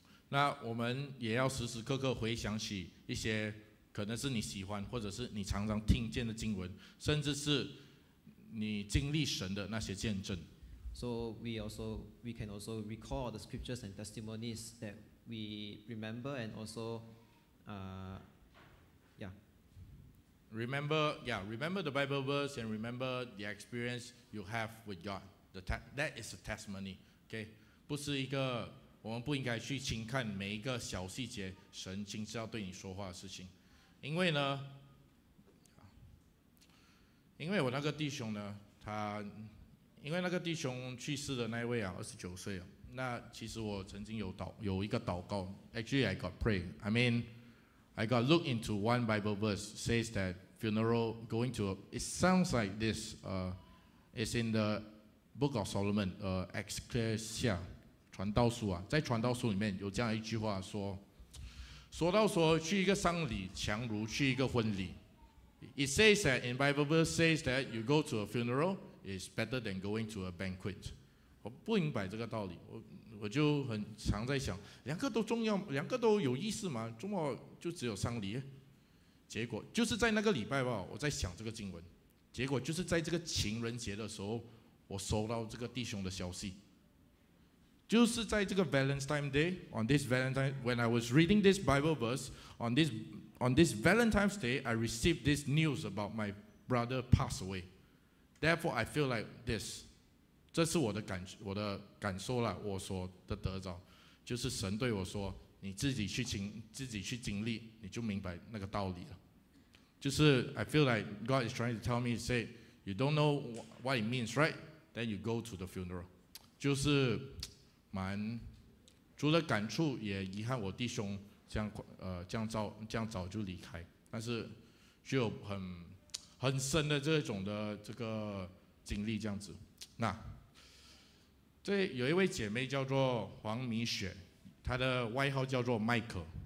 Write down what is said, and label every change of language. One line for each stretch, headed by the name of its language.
Chinese: 那我们也要时时刻刻回想起一些可能是你喜欢或者是你常常听见的经文，甚至是你经历神的那些见证。
English: So we can also recall the scriptures and testimonies that we remember and also, Remember the Bible verse and remember the experience you have with God. That is a testimony.
Chinese: Okay, 不是一个我们不应该去轻看每一个小细节，神亲自要对你说话的事情。因为呢，因为我那个弟兄呢，他。因为那个弟兄去世的那位啊，29岁啊，那其实我曾经有一个祷告 ，
English: actually I got pray. I mean, I got look into one Bible verse says that funeral going to. It sounds like this. It's in the Book of Solomon, Ecclesia,
Chinese: 传道书啊，在传道书里面有这样一句话说，说到说去一个丧礼强如去一个婚礼。
English: It says that in Bible verse says that you go to a funeral. Is better than going to a banquet.
Chinese: 我不明白这个道理，我就很常在想，两个都重要，两个都有意思吗？怎么就只有丧礼？结果就是在那个礼拜吧，我在想这个经文。结果就是在这个情人节的时候，我收到这个弟兄的消息。就是在这个
English: Valentine's Day, on this Valentine, when I was reading this Bible verse, on this Valentine's Day, I received this news about my brother passed away. Therefore, I feel like this.
Chinese: 这是我的感受啦，我所的得着，就是神对我说，你自己去经历，你就明白那个道理了。
English: 就是 I feel like God is trying to tell me, say, you don't know what it means, right? Then you go to the funeral.
Chinese: 就是蛮，除了感触，也遗憾我弟兄这样早就离开，但是就很。很深的这种的这个经历这样子。那这有一位姐妹叫做黄米雪，她的外号叫做 Michael。